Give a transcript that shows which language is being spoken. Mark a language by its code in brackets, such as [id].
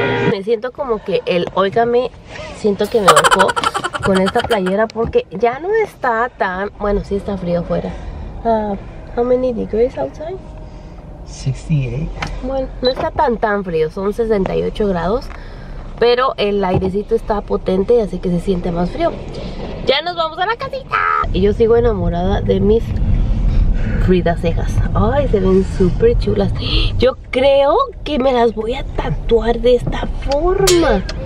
[es] Me siento como que el óigame, siento que me bajó con esta playera porque ya no está tan, bueno, sí está frío afuera. [en] How many degrees outside? 68. [es] Bueno, no está tan frío, son 68 grados, pero el airecito está potente, así que se siente más frío. Ya nos vamos a la casita. Y yo sigo enamorada de mis Frida cejas. Ay, se ven súper chulas. Yo creo que me las voy a tatuar de esta forma.